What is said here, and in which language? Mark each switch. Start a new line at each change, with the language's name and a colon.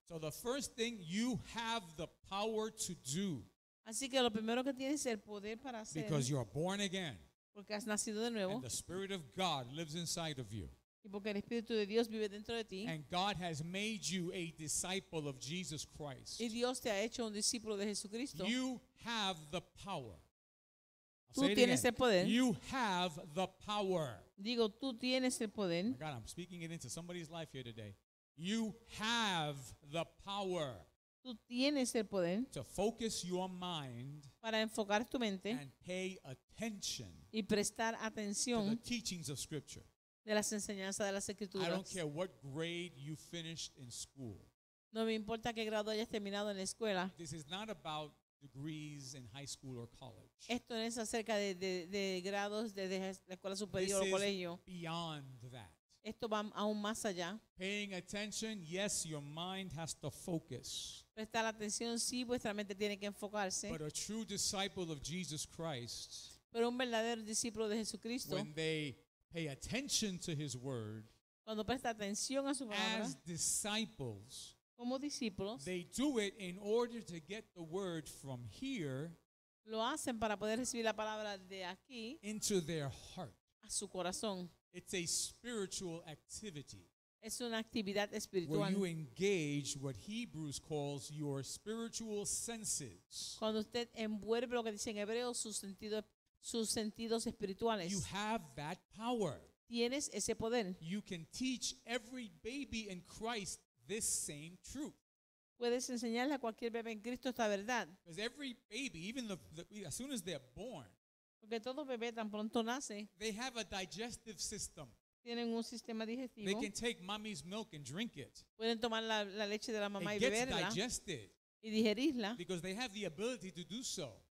English: So the first thing you have the power to do.
Spanish: Así que lo primero que tienes es el poder para hacer.
English: Because you are born again.
Spanish: Porque has nacido de nuevo.
English: And the Spirit of God lives inside of you.
Spanish: Y porque el Espíritu de Dios vive dentro de ti.
English: And God has made you a disciple of Jesus Christ.
Spanish: Y Dios te ha hecho un discípulo de Jesucristo.
English: You have the power.
Spanish: Tú tienes el poder.
English: You have the power.
Spanish: Digo, tú tienes el poder.
English: My God, I'm speaking it into somebody's life here today. You have the power.
Spanish: Tú tienes el poder.
English: To focus your mind.
Spanish: Para enfocar tu mente.
English: And pay attention.
Spanish: Y prestar atención.
English: To the teachings of Scripture.
Spanish: De las enseñanzas de las Escrituras.
English: I don't care what grade you finished in school.
Spanish: No me importa qué grado hayas terminado en la escuela.
English: This is not about degrees in high school or college.
Spanish: Esto no es acerca de grados de la escuela superior o colegio.
English: This is beyond that.
Spanish: Esto va aún más allá.
English: Paying attention, yes, your mind has to focus.
Spanish: Prestar atención, sí, vuestra mente tiene que enfocarse.
English: But a true disciple of Jesus Christ,
Spanish: pero un verdadero discípulo de Jesucristo,
English: when they pay attention to his word,
Spanish: cuando presta atención a su palabra,
English: as disciples,
Spanish: como discípulos,
English: they do it in order to get the word from here,
Spanish: lo hacen para poder recibir la palabra de aquí,
English: into their heart,
Spanish: a su corazón.
English: It's a spiritual activity.
Spanish: Es una actividad espiritual.
English: Where you engage what Hebrews calls your spiritual senses.
Spanish: Cuando usted envuelve lo que dice en hebreo sus sentidos espirituales.
English: You have that power.
Spanish: Tienes ese poder.
English: You can teach every baby in Christ this same truth.
Spanish: Puedes enseñarle a cualquier bebé en Cristo esta verdad.
English: Because every baby, even as soon as they're born.
Spanish: Porque todo bebé tan pronto nace.
English: They have a digestive system.
Spanish: Tienen un sistema digestivo.
English: They can take mommy's milk and drink it.
Spanish: Pueden tomar la leche de la mamá
English: it
Spanish: y
English: gets
Spanish: beberla.
English: Digested
Spanish: y digerirla.
English: Because they have the ability to do so.